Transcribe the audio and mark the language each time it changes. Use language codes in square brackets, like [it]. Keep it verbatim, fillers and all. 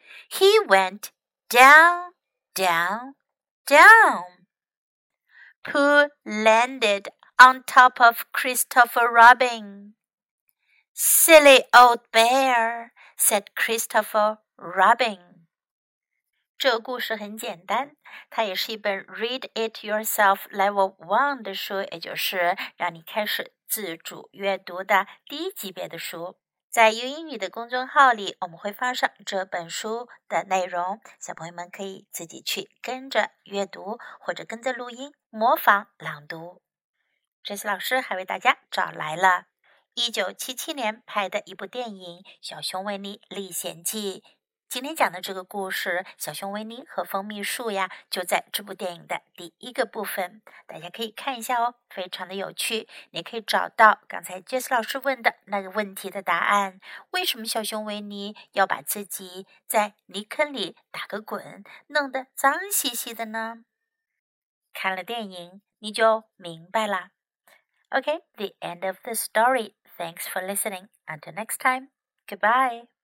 [en] He went down, down, down. Pooh landed on top of Christopher Robin. Silly old bear, said Christopher Robin. [zh] 这个故事很简单，它也是一本 Read It Yourself Level one 的书，也就是让你开始自主阅读的第一级别的书。在 U 英语的公众号里，我们会放上这本书的内容，小朋友们可以自己去跟着阅读，或者跟着录音模仿朗读。这次老师还为大家找来了一九七七年拍的一部电影《小熊维尼历险记》。今天讲的这个故事，小熊维尼和蜂蜜树呀，就在这部电影的第一个部分，大家可以看一下哦，非常的有趣。你可以找到刚才 Jess 老师问的那个问题的答案：为什么小熊维尼要把自己在泥坑里打个滚，弄得脏兮兮的呢？看了电影，你就明白啦。 [en] Okay, the end of the story. Thanks for listening. Until next time. Goodbye.